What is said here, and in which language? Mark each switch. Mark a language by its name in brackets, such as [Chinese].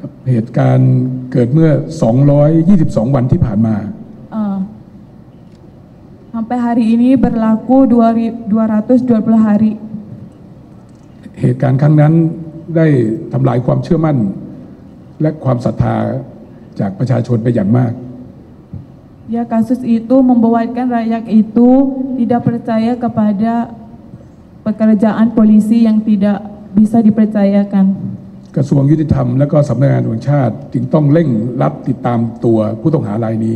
[Thai] เหตุการณ์เกิดเมื่อ222วันที่ผ่านมา [Indonesian] sampai hari ini berlaku 220 hari. [Thai] เหตุการณ์ครั้งนั้นได้ทำลายความเชื่อมั่นและความศรัทธาจากประชาชนไปอย่างมาก [Indonesian] Ya, kasus itu membuatkan rakyat itu tidak percaya kepadapekerjaan polisi yang tidak bisa dipercayakan. [Thai] กระทรวงยุติธรรมและก็สำนักงานตำรวจชาติจึงต้องเร่งรัดติดตามตัวผู้ต้องหารายนี